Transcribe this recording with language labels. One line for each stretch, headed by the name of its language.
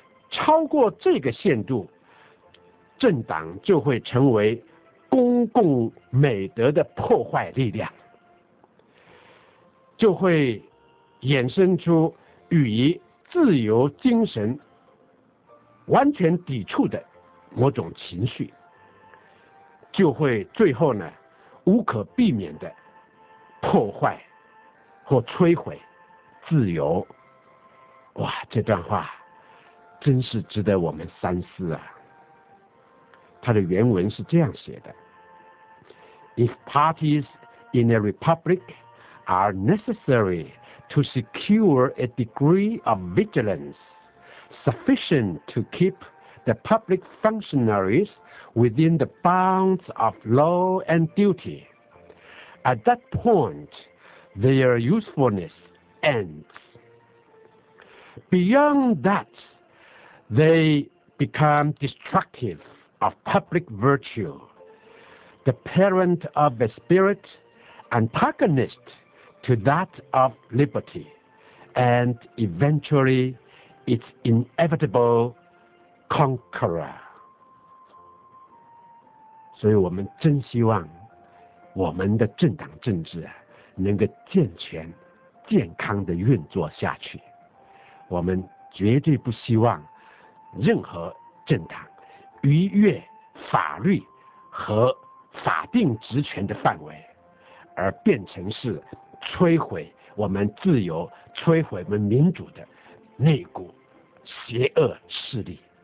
Chinese: 超过这个限度，政党就会成为公共美德的破坏力量，就会衍生出与自由精神完全抵触的某种情绪，就会最后呢无可避免的破坏或摧毁自由。哇，这段话真是值得我们三思啊。它的原文是这样写的，
English: If parties in a republic are necessary to secure a degree of vigilance sufficient to keep the public functionariesWithin the bounds of law and duty, at that point, their usefulness ends. Beyond that, they become destructive of public virtue, the parent of the spirit, antagonist to that of liberty, and eventually its inevitable conqueror.
Chinese: 所以我们真希望我们的政党政治能够健全健康的运作下去。我们绝对不希望任何政党逾越法律和法定职权的范围，而变成是摧毁我们自由、摧毁我们民主的那股邪恶势力。